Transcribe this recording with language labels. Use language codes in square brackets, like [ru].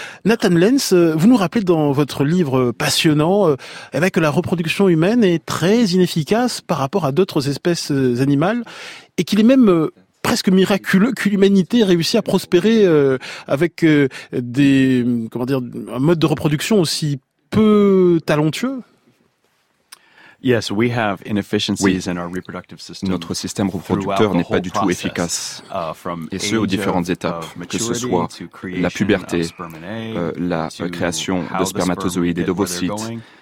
[fr] Nathan Lenz, vous nous rappelez dans votre livre passionnant que la reproduction humaine est très inefficace par rapport à d'autres espèces animales et qu'il est même presque miraculeux que l'humanité ait réussi à prospérer avec des, comment dire, un mode de reproduction aussi peu talentueux. [en] Yes, we have inefficiencies in our reproductive system. [fr] Notre système reproducteur n'est pas du tout efficace, et ce, aux différentes étapes, que ce soit la puberté, la création de spermatozoïdes et d'ovocytes.